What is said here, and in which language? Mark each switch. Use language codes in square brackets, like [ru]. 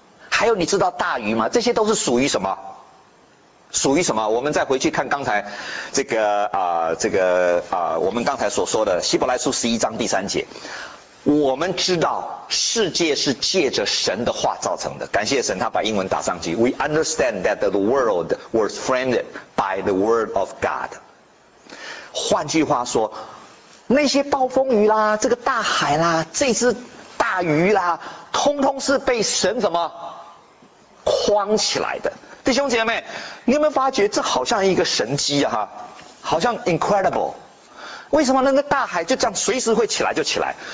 [zh] 还有你知道大鱼吗？这些都是属于什么？属于什么？我们再回去看刚才这个我们刚才所说的希伯来书十一章第三节。我们知道世界是借着神的话造成的，感谢神，他把英文打上去。 [en] We understand that the world was framed by the word of God。 [zh] 换句话说，那些暴风雨啦，这个大海啦，这只大鱼啦，通通是被神什么框起来的。弟兄姐妹，你有没有发觉这好像一个神迹啊？哈，好像 incredible。为什么那个大海就这样随时会起来就起来？